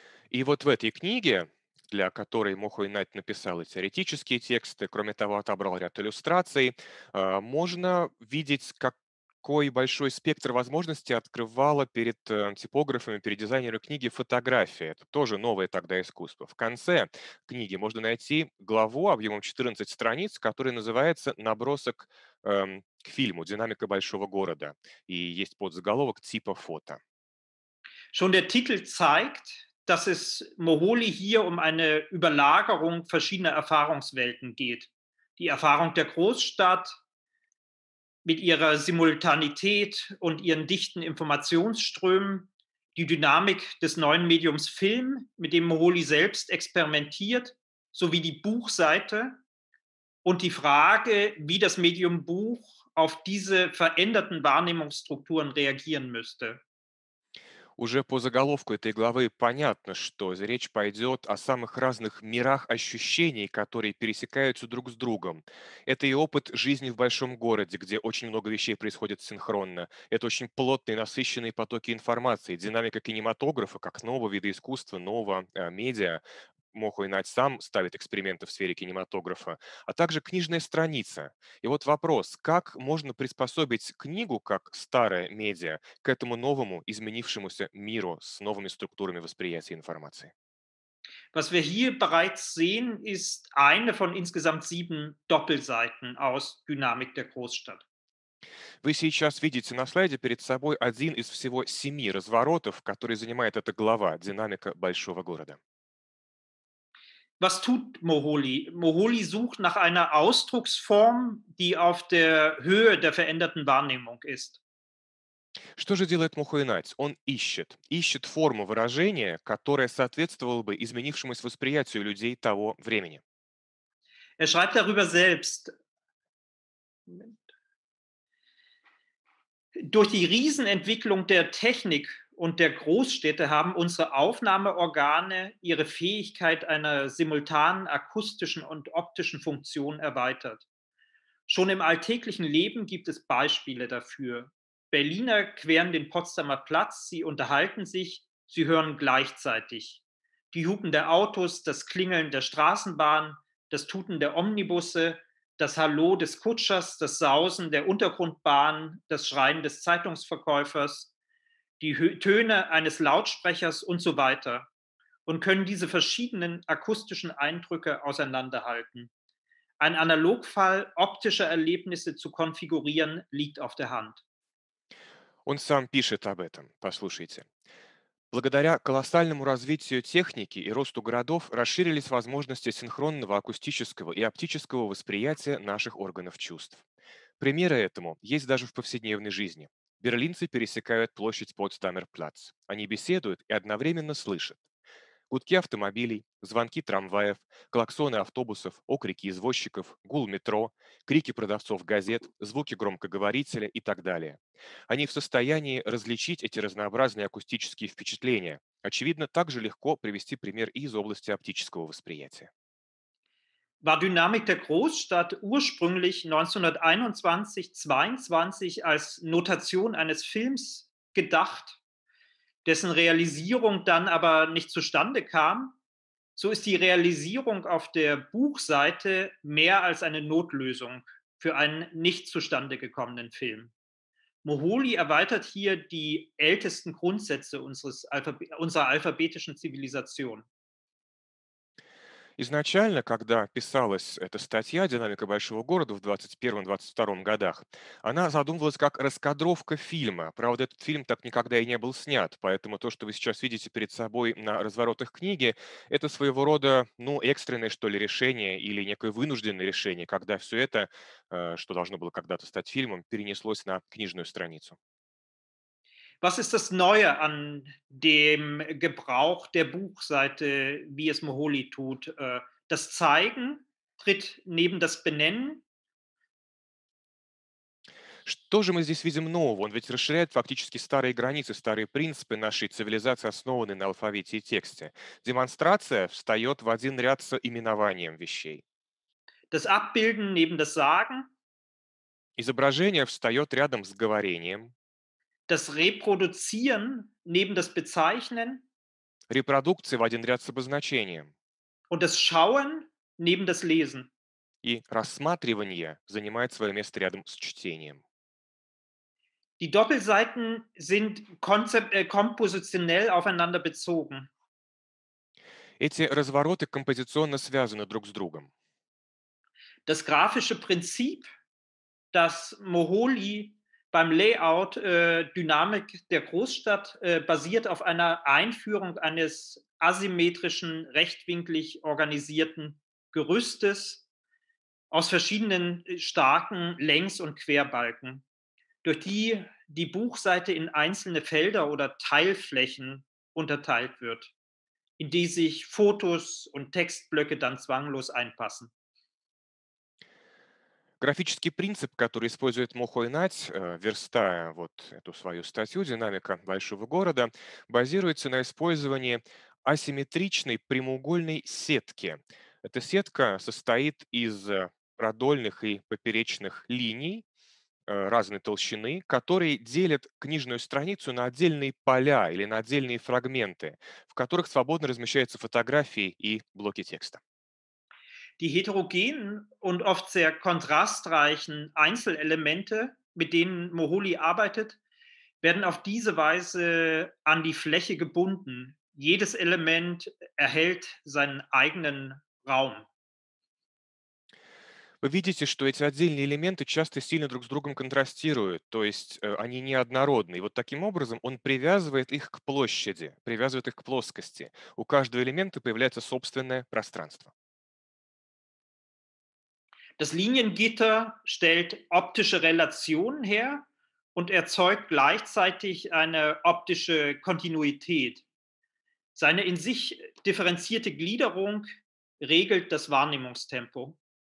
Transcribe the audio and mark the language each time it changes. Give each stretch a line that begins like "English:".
Russian: И вот в этой книге, для которой Мохойнати написал и теоретические тексты, кроме того, отобрал ряд иллюстраций, можно видеть, какой большой спектр возможностей открывала перед типографами, перед дизайнерами книги фотография. Это тоже новое тогда искусство. В конце книги можно найти главу объемом 14 страниц, которая называется «Набросок к фильму «Динамика большого города». И есть подзаголовок «Типа фото».
German: Schon der Titel zeigt, dass es Moholy hier um eine Überlagerung verschiedener Erfahrungswelten geht. Die Erfahrung der Großstadt mit ihrer Simultanität und ihren dichten Informationsströmen, die Dynamik des neuen Mediums Film, mit dem Moholy selbst experimentiert, sowie die Buchseite und die Frage, wie das Medium Buch auf diese veränderten Wahrnehmungsstrukturen reagieren müsste.
Russian: Уже по заголовку этой главы понятно, что речь пойдет о самых разных мирах ощущений, которые пересекаются друг с другом. Это и опыт жизни в большом городе, где очень много вещей происходит синхронно. Это очень плотные, насыщенные потоки информации. Динамика кинематографа, как нового вида искусства, нового медиа. Мохойнати сам ставит эксперименты в сфере кинематографа, а также книжная страница. И вот вопрос, как можно приспособить книгу, как старое медиа, к этому новому, изменившемуся миру с новыми структурами восприятия информации?
German: Was wir hier bereits sehen, ist eine von insgesamt 7 Doppelseiten aus Dynamik der Großstadt.
Russian: Вы сейчас видите на слайде перед собой один из всего 7 разворотов, который занимает эта глава «Динамика большого города».
German: Was tut Moholy? Moholy sucht nach einer Ausdrucksform, die auf der Höhe der veränderten Wahrnehmung ist.
Russian: Что же делает Мохойнати? Он ищет. Ищет форму выражения, которая соответствовала бы изменившемуся восприятию людей того времени.
German: Er schreibt darüber selbst. Durch die Riesenentwicklung der Technik und der Großstädte haben unsere Aufnahmeorgane ihre Fähigkeit einer simultanen akustischen und optischen Funktion erweitert. Schon im alltäglichen Leben gibt es Beispiele dafür. Berliner queren den Potsdamer Platz, sie unterhalten sich, sie hören gleichzeitig. Die Hupen der Autos, das Klingeln der Straßenbahn, das Tuten der Omnibusse, das Hallo des Kutschers, das Sausen der Untergrundbahn, das Schreien des Zeitungsverkäufers, die Töne eines Lautsprechers und so weiter und können diese verschiedenen akustischen Eindrücke auseinanderhalten. Ein Analogfall optischer Erlebnisse zu konfigurieren liegt auf der Hand.
Russian: Он сам пишет об этом. Послушайте. Благодаря колоссальному развитию техники и росту городов расширились возможности синхронного акустического и оптического восприятия наших органов чувств. Примеры этому есть даже в повседневной жизни. Берлинцы пересекают площадь Потсдамерплац. Они беседуют и одновременно слышат. Гудки автомобилей, звонки трамваев, клаксоны автобусов, окрики извозчиков, гул метро, крики продавцов газет, звуки громкоговорителя и так далее. Они в состоянии различить эти разнообразные акустические впечатления. Очевидно, также легко привести пример и из области оптического восприятия.
German: War Dynamik der Großstadt ursprünglich 1921-22 als Notation eines Films gedacht, dessen Realisierung dann aber nicht zustande kam? So ist die Realisierung auf der Buchseite mehr als eine Notlösung für einen nicht zustande gekommenen Film. Moholy erweitert hier die ältesten Grundsätze unserer alphabetischen Zivilisation.
Russian: Изначально, когда писалась эта статья «Динамика большого города» в 21-22 годах, она задумывалась как раскадровка фильма. Правда, этот фильм так никогда и не был снят, поэтому то, что вы сейчас видите перед собой на разворотах книги, это своего рода, ну, экстренное, что ли, решение или некое вынужденное решение, когда все это, что должно было когда-то стать фильмом, перенеслось на книжную страницу.
German: Was ist das Neue an dem Gebrauch der Buchseite, wie es Moholy tut? Das Zeigen tritt neben das Benennen?
Russian: Что же мы здесь видим нового? Он ведь расширяет фактически старые границы, старые принципы нашей цивилизации, основанные на алфавите и тексте. Демонстрация встает в один ряд с именованием вещей.
German: Das Abbilden neben das Sagen?
Russian: Изображение встает рядом с говорением.
German: Das Reproduzieren neben das Bezeichnen.
Russian: Репродукция в один ряд с обозначением.
German: Und das Schauen neben das Lesen.
Russian: И рассматривание занимает свое место рядом с чтением.
German: Die Doppelseiten sind kompositionell aufeinander bezogen.
Russian: Эти развороты композиционно связаны друг с другом.
German: Das grafische Prinzip, das Moholy beim Layout Dynamik der Großstadt basiert auf einer Einführung eines asymmetrischen, rechtwinklig organisierten Gerüstes aus verschiedenen starken Längs- und Querbalken, durch die die Buchseite in einzelne Felder oder Teilflächen unterteilt wird, in die sich Fotos und Textblöcke dann zwanglos einpassen.
Russian: Графический принцип, который использует Мохой Нать, верстая вот эту свою статью «Динамика большого города», базируется на использовании асимметричной прямоугольной сетки. Эта сетка состоит из продольных и поперечных линий разной толщины, которые делят книжную страницу на отдельные поля или на отдельные фрагменты, в которых свободно размещаются фотографии и блоки текста.
German: Die heterogenen und oft sehr kontrastreichen Einzelelemente, mit denen Moholy arbeitet, werden auf diese Weise an die Fläche gebunden. Jedes Element erhält seinen eigenen Raum.
Russian: Вы видите, что эти отдельные элементы часто сильно друг с другом контрастируют, то есть они неоднородны. И вот таким образом он привязывает их к площади, привязывает их к плоскости. У каждого элемента появляется собственное пространство.
German: Das Liniengitter stellt optische Relationen her und erzeugt gleichzeitig eine optische Kontinuität. Seine in sich differenzierte Gliederung regelt das Wahrnehmungstempo.